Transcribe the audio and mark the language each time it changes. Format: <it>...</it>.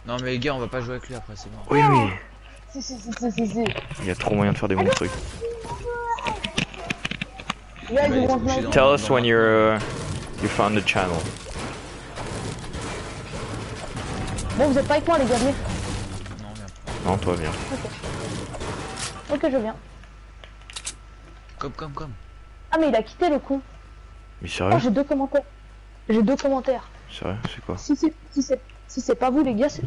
<fr>Non mais les gars, on va pas jouer avec lui après, c'est mort. Oui, oui. Si. Il y a trop moyen de faire des bons trucs.</fr> <en>Tell us when you found the channel.</en> <fr>Bon, vous êtes pas avec moi les gars, viens. Non, toi viens. Ok, je viens. Comme. Ah mais il a quitté le con. Mais sérieux? Oh, J'ai deux commentaires. Sérieux? C'est quoi? Si c'est pas vous les gars, c'est...</fr>